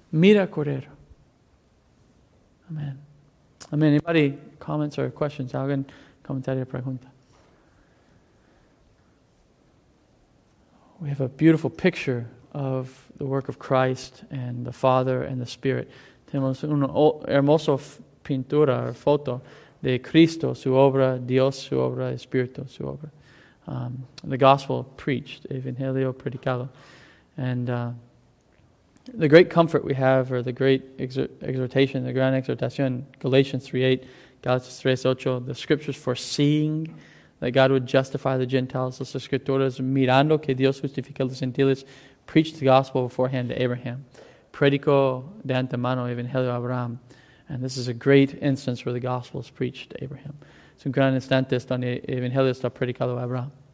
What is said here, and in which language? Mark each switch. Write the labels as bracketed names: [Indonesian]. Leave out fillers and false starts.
[Spanish] Mira al Cordero. Amen. Amen. [English] Anybody comments or questions? [Spanish] ¿Alguien comentario o pregunta? [English] We have a beautiful picture of the work of Christ and the Father and the Spirit. [Spanish] Tenemos una hermosa pintura o foto de Cristo, su obra, Dios, su obra, Espíritu, su obra. [English] The gospel preached, [Spanish] Evangelio predicado. [English] And the great comfort we have, or the great exhortation, the [Spanish] gran exhortación, [English] Galatians 3:8, Galatians 3:8, the scriptures foreseeing that God would justify the Gentiles, [Spanish] las escrituras mirando que Dios justifica los gentiles, [English] preached the gospel beforehand to Abraham. [Spanish] Predicó de antemano Evangelio a Abraham. [English] And this is a great instance where the gospel is preached to Abraham. [Spanish] Es un gran instante donde el evangelio está predicado a Abraham.